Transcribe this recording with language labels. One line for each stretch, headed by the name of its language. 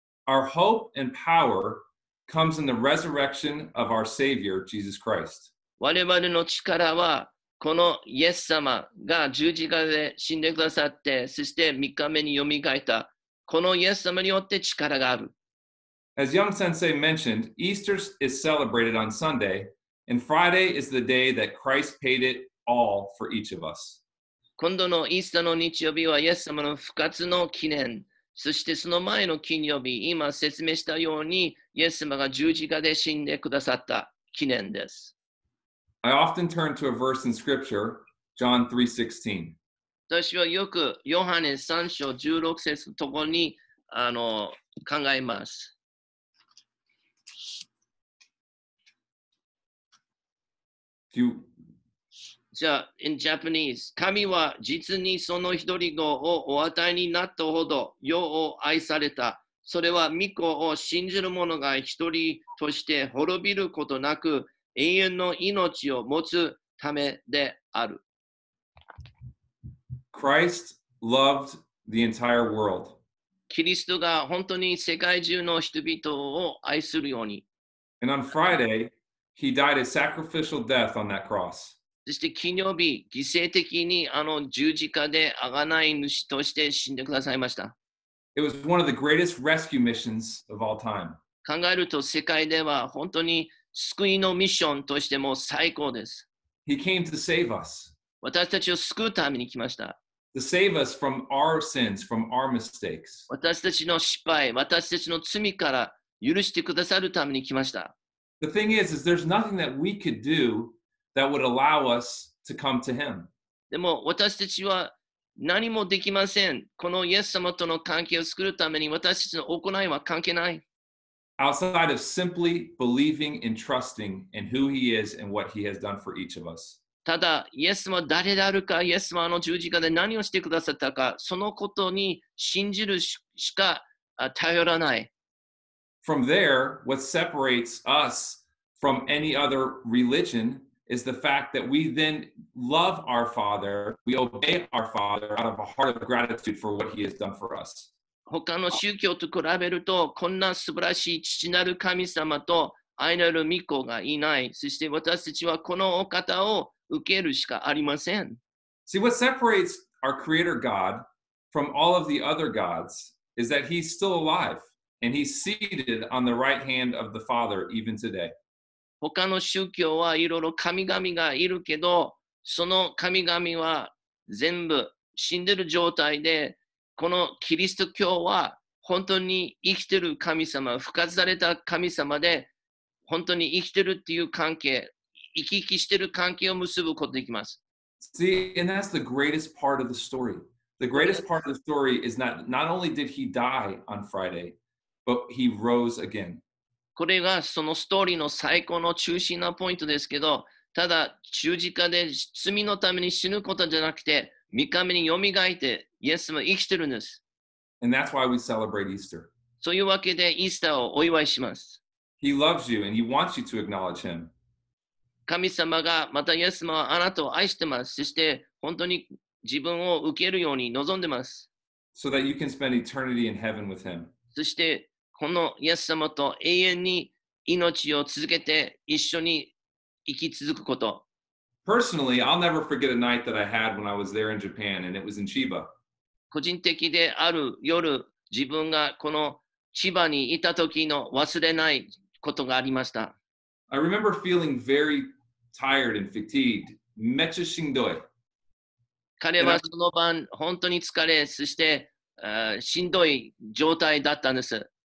English: Our hope and power. Comes in the resurrection of our Savior, Jesus Christ.
Japanese: 我々の力はこのイエス様が十字架で死んでくださって、そして三日目によみがえったこのイエス様によって力がある。
English: As Young Sensei mentioned, Easter is celebrated on Sunday, and Friday is the day that Christ paid it all for each of us.
Japanese: 今度のイースターの日曜日はイエス様の復活の記念。そしてその前の金曜日、今説明したように、イエス様が十字架で死んでくださった記念です。
English: I often turn to a verse in scripture, John 3:16.
Japanese: 私はよくヨハネ3章16節のところに考えます。じゃあ、
English: in Japanese,
Japanese: 神は実にその一人子をお与えになったほど世を愛された。それは御子を信じる者が一人として滅びることなく永遠の命を持つためである。
English: Christ loved the entire world.
Japanese: キリストが本当に世界中の人々を愛するように。
English: And on Friday, he died a sacrificial death on that cross.
Japanese: そして金曜日、犠牲的に十字架で贖い主として死んでくださいました。
English: It was one of the greatest rescue missions of all time.
Japanese: 考えると世界では本当に救いのミッションとしても最高です。
English: He came to save us.
Japanese: 私たちを救うために来ました。
English: To save us from our sins, from our mistakes.
Japanese: 私たちの失敗、私たちの罪から許してくださるために来ました。
English: The thing is, there's nothing that we could do.That would allow us to come to him.
Japanese: でも私たちは何もできません。このイエス様との関係を作るために私たちの行いは関係ない。
English: Outside of simply believing and trusting in who he is and what he has done for each of us.
Japanese: ただ、イエス様は誰であるか、イエス様はあの十字架で何をしてくださったか、そのことに信じるしか頼らない。
English: From there, what separates us from any other religion is the fact that we then love our Father, we obey our Father out of a heart of gratitude for what he has done for us.
Japanese: 他の宗教と比べると、こんな素晴らしい父なる神様と愛なる御子がいない。そして私たちはこのお方を受けるしかありません。
English: See, what separates our Creator God from all of the other gods is that He's still alive and He's seated on the right hand of the Father even today.
Japanese: 他の宗教はいろいろ神々がいるけど、その神々は全部死んでる状態で、このキリスト教は本当に生きてる神様、復活された神様で本当に生きてるっていう関係、生き生きしてる関係を結ぶことができます。
English: See, and that's the greatest part of the story. The greatest part of the story is that not only did he die on Friday, but he rose again.
Japanese: これがそのストーリーの最高の中心なポイントですけど、ただ十字架で罪のために死ぬことじゃなくて、3日目によみがえって、イエス様生きてるんです。
English: And that's why we celebrate Easter.
Japanese: そういうわけで、イースターをお祝いします。
English: He loves you and he wants you to acknowledge him.
Japanese: 神様が、またイエス様はあなたを愛してます。そして、本当に自分を受けるように望んでます。
English: So that you can spend eternity in heaven with him.
Japanese: そして、このイエス様と永遠に命を続けて、一緒に生き続くこと。
English: Personally, I'll never forget a night that I had when I was there in Japan, and it was in Chiba.
Japanese: 個人的である夜、自分がこの Chiba にいた時の忘れないことがありました。
English: I remember feeling very tired and fatigued.
Japanese: めっちゃしんどい。彼はその晩、本当に疲れ、そして、しんどい状態だったんです。